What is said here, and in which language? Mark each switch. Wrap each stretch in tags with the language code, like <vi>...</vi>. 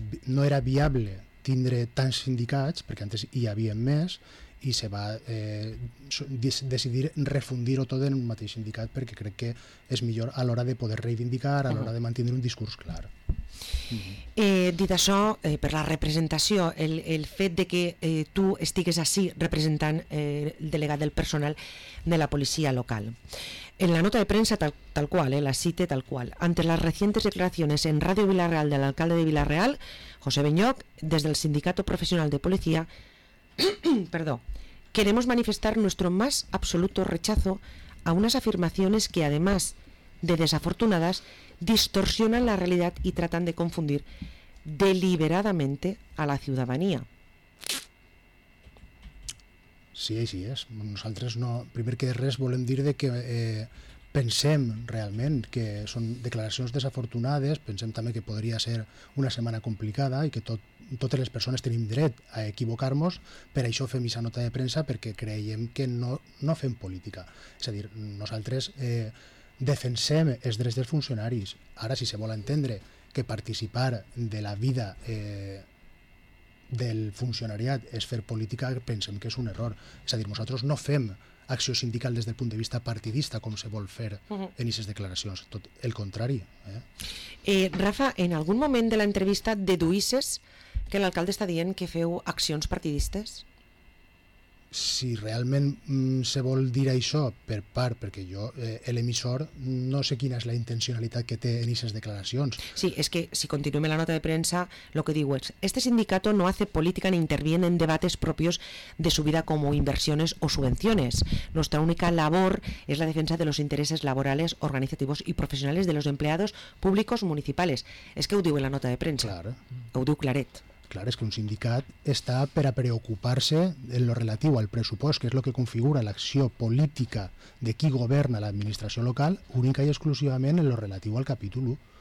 <ca>no era viable tindre tants sindicats, perquè antes hi havia més, i se va decidir refundir-ho tot en un mateix sindicat, perquè crec que és millor a l'hora de poder reivindicar, a l'hora de mantenir un discurs clar. Mm-hmm. Dit això, per la representació, el fet de que tu estigues així representant el delegat del personal de la policia local. En la nota de premsa, la cite tal qual,</ca> <es>ante las recientes declaraciones en Radio Villarreal del alcalde de Villarreal, José Beñoc, desde el Sindicato Profesional de Policía, queremos manifestar nuestro más absoluto rechazo a unas afirmaciones que, además de desafortunadas, distorsionan la realidad y tratan de confundir deliberadamente a la ciudadanía.</es> <ca>Sí, sí, és. Nosaltres, no, primer que res, volem dir de que pensem realment que són declaracions desafortunades, pensem també que podria ser una setmana complicada i que totes les persones tenim dret a equivocar-nos, per això fem aquesta nota de premsa, perquè creiem que no fem política. És a dir, nosaltres defensem els drets dels funcionaris. Ara, si se vol entendre que participar de la vida del funcionariat és fer política, pensem que és un error. És a dir, nosaltres no fem acció sindical des del punt de vista partidista, com se vol fer en aquestes declaracions, tot el contrari. Rafa, en algun moment de la entrevista deduïsses que l'alcalde està dient que feu accions partidistes? Si realment se vol dir això per part, perquè jo, l'emissor, no sé quina és la intencionalitat que té en aquestes declaracions. Sí, és que si continuem la nota de premsa, el que diu és:</ca> <es>este sindicato no hace política ni interviene en debates propios de su vida como inversiones o subvenciones. Nuestra única labor es la defensa de los intereses laborales, organizativos y profesionales de los empleados públicos municipales.</es> <ca>És que ho diu en la nota de premsa. Clar. Ho diu claret. Clar, és que un sindicat està per a preocupar-se en lo relatiu al pressupost, que és el que configura l'acció política de qui governa l'administració local, única i exclusivament en lo relatiu al capítol 1.</ca>